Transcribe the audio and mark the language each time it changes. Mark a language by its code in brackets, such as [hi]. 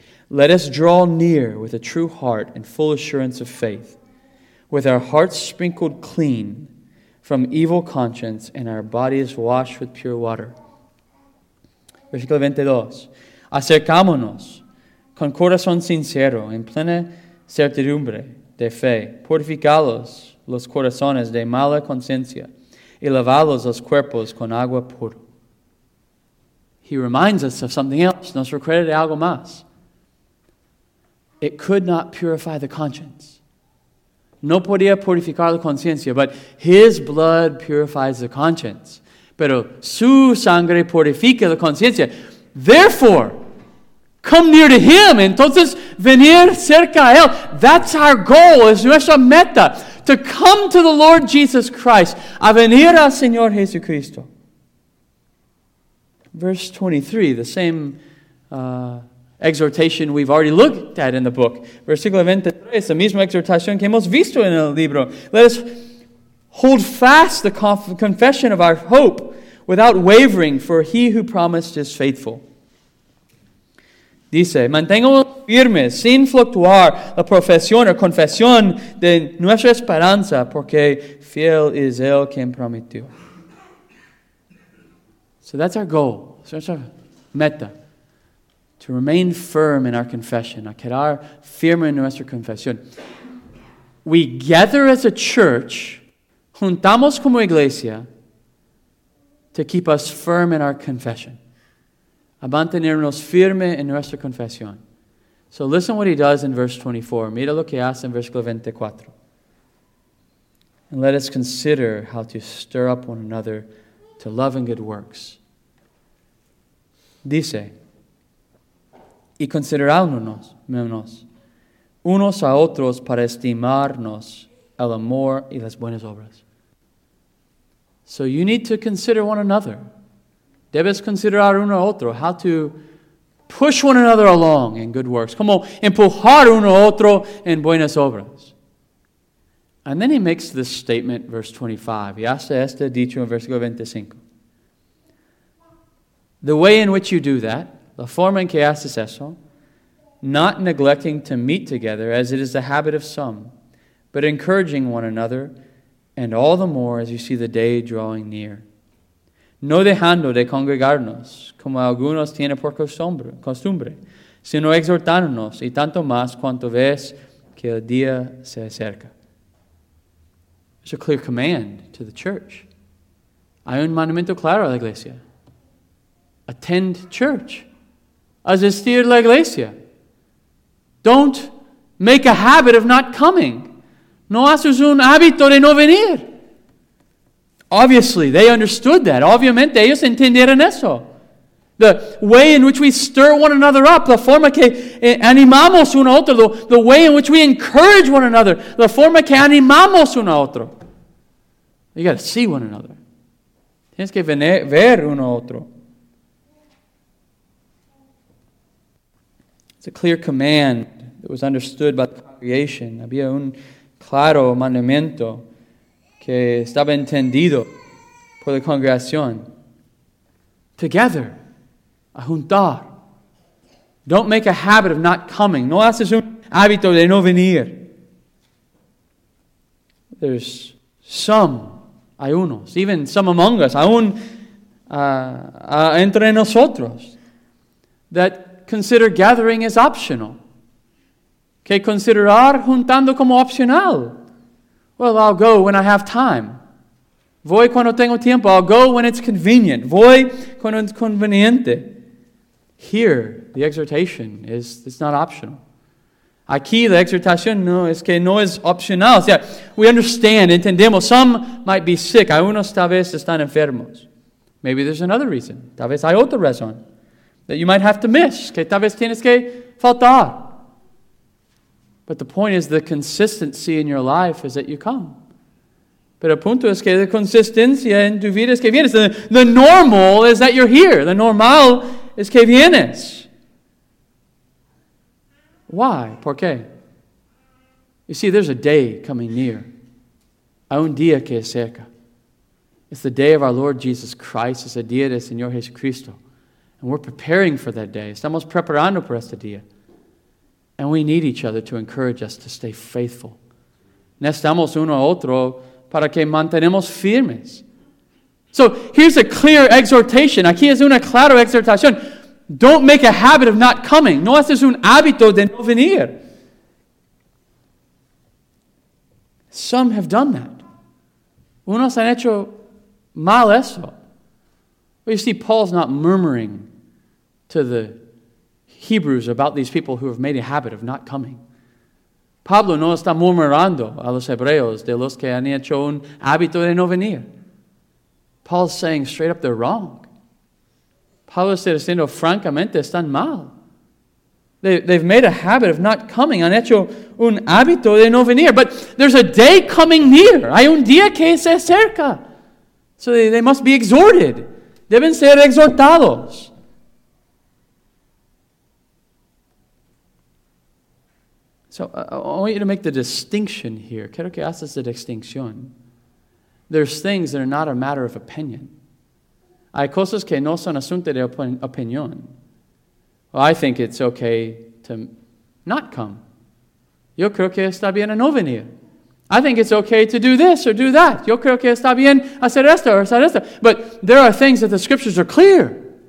[en] Let us draw near with a true heart and full assurance of faith, with our hearts sprinkled clean from evil conscience and our bodies washed with pure water. [es] Versículo 22. Acercámonos con corazón sincero en plena certidumbre de fe. Purificados los corazones de mala conciencia y lavados los cuerpos con agua pura. [en] He reminds us of something else. [es] Nos recuerda de algo más. [en] It could not purify the conscience. [es] No podía purificar la conciencia, [en] but his blood purifies the conscience. [es] Pero su sangre purifica la conciencia. [en] Therefore, come near to him. [es] Entonces, venir cerca a él. [en] That's our goal, [es] es nuestra meta. [en] To come to the Lord Jesus Christ. [es] A venir al Señor Jesucristo. [en] Verse 23, the same exhortation we've already looked at in the book. [es] Versículo 23, la misma exhortación que hemos visto en el libro. [en] Let us hold fast the confession of our hope without wavering, for he who promised is faithful. [es] Dice, mantengamos firmes, sin fluctuar, la profesión o confesión de nuestra esperanza, porque fiel es él quien prometió. [en] So that's our goal. So that's our meta. To remain firm in our confession. [es] A quedar firme en nuestra confesión. [en] We gather as a church, [es] juntamos como iglesia, [en] to keep us firm in our confession. [es] A mantenernos firme en nuestra confesión. [en] So listen what he does in verse 24. [es] Mira lo que hace en versículo 24. [en] And let us consider how to stir up one another to love and good works. [es] Dice, y considerándonos unos a otros para estimarnos el amor y las buenas obras. [en] So you need to consider one another. [es] Debes considerar uno a otro. [en] How to push one another along in good works. [es] Como empujar uno a otro en buenas obras. [en] And then he makes this statement, verse 25. [es] Y hace este dicho en versículo 25. [en] The way in which you do that, [es] la forma en que haces eso, [en] not neglecting to meet together, as it is the habit of some, but encouraging one another, and all the more as you see the day drawing near. [es] No dejando de congregarnos, como algunos tienen por costumbre, sino exhortándonos, y tanto más cuanto ves que el día se acerca. [en] It's a clear command to the church. [es] Hay un mandamiento claro a la iglesia. [en] Attend church. [es] Asistir la iglesia. [en] Don't make a habit of not coming. [es] No haces un hábito de no venir. [en] Obviously, they understood that. [es] Obviamente, ellos entendieron eso. [en] The way in which we stir one another up, [es] la forma que animamos uno a otro, [en] the way in which we encourage one another, la forma que animamos uno a otro. You got to see one another. [es] Tienes que ver uno a otro. [en] It's a clear command that was understood by the congregation. [es] Había un claro mandamiento que estaba entendido por la congregación. Together, a juntar. [en] Don't make a habit of not coming. [es] No haces un hábito de no venir. [en] There's some, [es] hay unos, [en] even some among us, [es] aún entre nosotros, [en] that consider gathering as optional. [es] Que considerar juntando como opcional. [en] Well, I'll go when I have time. [es] Voy cuando tengo tiempo. [en] I'll go when it's convenient. [es] Voy cuando es conveniente. [en] Here, the exhortation is it's not optional. [es] Aquí, la exhortación no es que no es opcional. O sea, [en] we understand, [es] entendemos. [en] Some might be sick. [es] Algunos tal vez están enfermos. [en] Maybe there's another reason. [es] Tal vez hay otra razón. [en] That you might have to miss. [es] Que tal vez tienes que faltar. [en] But the point is the consistency in your life is that you come. [es] Pero el punto es que la consistencia en tu vida es que vienes. [en] The normal is that you're here. The normal is [es] que vienes. [en] Why? [es] ¿Por qué? [en] You see, there's a day coming near. [es] Hay un día que es cerca. [en] It's the day of our Lord Jesus Christ. It's the [es] día del Señor Jesucristo. [en] And we're preparing for that day. [es] Estamos preparando para este día. [en] And we need each other to encourage us to stay faithful. [es] Necesitamos uno a otro para que mantenemos firmes. [en] So here's a clear exhortation. [es] Aquí es una clara exhortación. [en] Don't make a habit of not coming. [es] No haces un hábito de no venir. [en] Some have done that. [es] Unos han hecho mal eso. [en] But you see, Paul's not murmuring to the Hebrews about these people who have made a habit of not coming. [es] Pablo no está murmurando a los hebreos de los que han hecho un hábito de no venir. [en] Paul's saying straight up they're wrong. [es] Pablo está diciendo francamente están mal. [en] They've made a habit of not coming. [es] Han hecho un hábito de no venir. [en] But there's a day coming near. [es] Hay un día que se acerca. [en] So they must be exhorted. [es] Deben ser exhortados. [en] So I want you to make the distinction here. [es] Quiero que haces la distinción. [en] There's things that are not a matter of opinion. [es] Hay cosas que no son asunto de opinión. [en] Well, I think it's okay to not come. [es] Yo creo que está bien a no venir. [en] I think it's okay to do this or do that. [es] Yo creo que está bien hacer esto or hacer esto. [en] But there are things that the scriptures are clear.